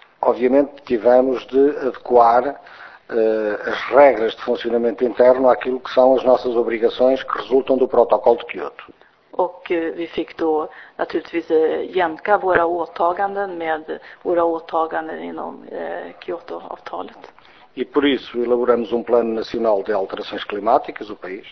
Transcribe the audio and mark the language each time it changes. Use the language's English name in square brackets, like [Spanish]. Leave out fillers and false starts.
[Portuguese] Obviamente tivemos de adequar as regras de funcionamento interno àquilo que são as nossas obrigações que resultam do protocolo de Kyoto. [Swedish] Och vi fick då naturligtvis jämka våra åtaganden med våra åtaganden inom Kyoto-avtalet. [Portuguese] E por isso elaboramos plano nacional de alterações climáticas, o país.